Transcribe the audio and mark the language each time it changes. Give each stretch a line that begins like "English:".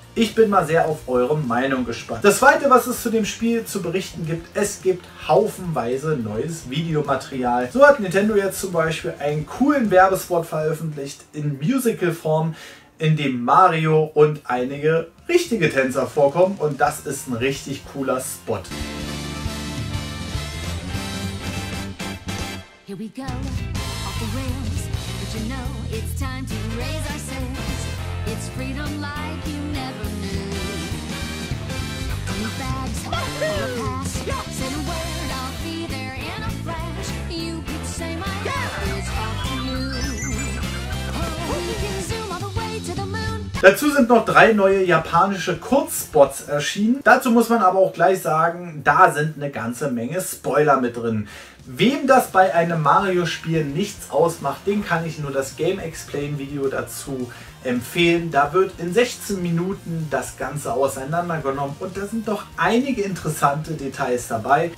German: Ich bin mal sehr auf eure Meinung gespannt. Das zweite, was es zu dem Spiel zu berichten gibt, es gibt haufenweise neues Videomaterial. So hat Nintendo jetzt zum Beispiel einen coolen Werbespot veröffentlicht in Musical-Form, in dem Mario und einige richtige Tänzer vorkommen, und das ist ein richtig cooler Spot.
English: Here we go, off the rails, but you know it's time to raise our sails. It's freedom like you never knew. Bring your bags, bring your pass, yeah. Say the word, I'll be there in a flash. You could say my life is off to you. Oh, we can zoom all the way to the moon.
German: Dazu sind noch drei neue japanische Kurzspots erschienen. Dazu muss man aber auch gleich sagen, da sind eine ganze Menge Spoiler mit drin. Wem das bei einem Mario-Spiel nichts ausmacht, den kann ich nur das Game Explain-Video dazu empfehlen. Da wird in 16 Minuten das Ganze auseinandergenommen, und da sind doch einige interessante Details dabei.